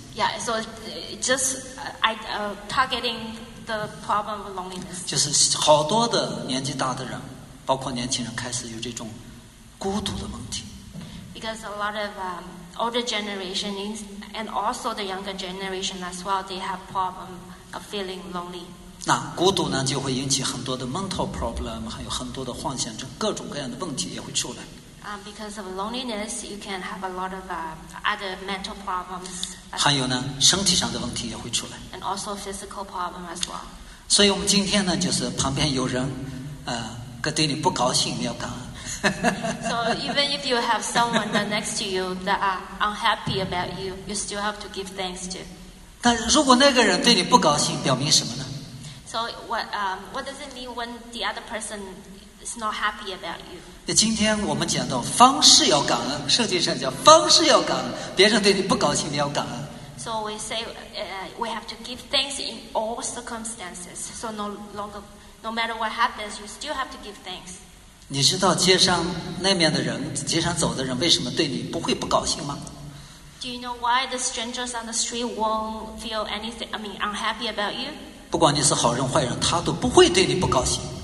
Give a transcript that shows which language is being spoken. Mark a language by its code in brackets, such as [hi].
[en] Yeah, so just targeting the problem of loneliness. [zh] 就是好多的年纪大的人，包括年轻人开始有这种孤独的问题。 [en] because a lot of older generation is, and also the younger generation as well, they have problem of feeling lonely. [zh] 那孤独呢，就会引起很多的 [en] mental problem， [zh] 还有很多的幻想症，各种各样的问题也会出来。 [en] Because of loneliness, you can have a lot of other mental problems. [zh] 还有呢，身体上的问题也会出来。 [en] And also physical problem as well. [zh] 所以我们今天呢，就是旁边有人，对你不高兴，你要感恩。 [en] So even if you have someone that next to you that are unhappy about you, you still have to give thanks to. [zh] 但如果那个人对你不高兴，表明什么呢？ [en] So what does it mean when the other person is not happy about you? [zh] 今天我们讲到方式要感恩，圣经上讲方式要感恩，别人对你不高兴你要感恩。 [en] So we say we have to give thanks in all circumstances. So no matter what happens, you still have to give thanks. [zh] 你知道街上那面的人，街上走的人为什么对你不会不高兴吗？ [en] Do you know why the strangers on the street won't feel anything? I mean, unhappy about you? [zh] 不管你是好人坏人，他都不会对你不高兴。